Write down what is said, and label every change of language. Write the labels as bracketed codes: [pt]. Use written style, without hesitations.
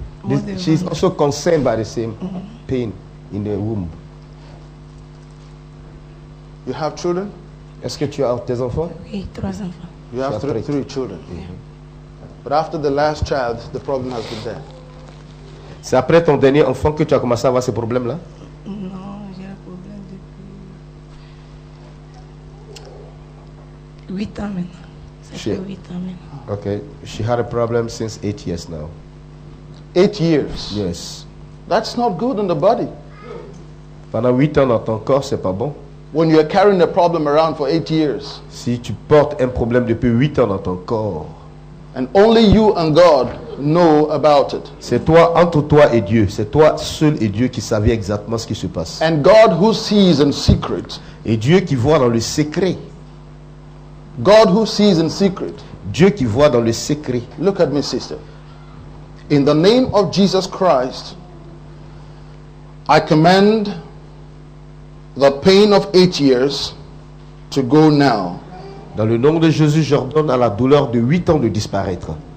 [en] This, she's also concerned by the same mm-hmm. pain in the womb. You have children? [fr] Est-ce que tu as des enfants? Oui, 3 enfants. [en] You have three children. Mm-hmm. But after the last child, the problem has been there. [fr] C'est après ton dernier enfant que tu as commencé à avoir ces problèmes-là? Non, j'ai un problème depuis 8 ans maintenant. Ça fait 8 ans maintenant. [en] Okay, she had a problem since 8 years now. 8 years? Yes. That's not good in the body. [fr] Pendant 8 ans dans ton corps, c'est pas bon. [en] When you are carrying a problem around for 8 years. [fr] Si tu portes un problème depuis 8 ans dans ton corps. [en] And only you and God know about it. [fr] C'est toi entre toi et Dieu, c'est toi seul et Dieu qui savait exactement ce qui se passe. [en] And God who sees in secret. [fr] Et Dieu qui voit dans le secret. [en] God who sees in secret. [fr] Dieu qui voit dans le secret. [en] Look at me, sister. In the name of Jesus Christ. I command the pain of 8 years to go now. [fr] Dans le nom de Jésus, j'ordonne à la douleur de 8 ans de disparaître.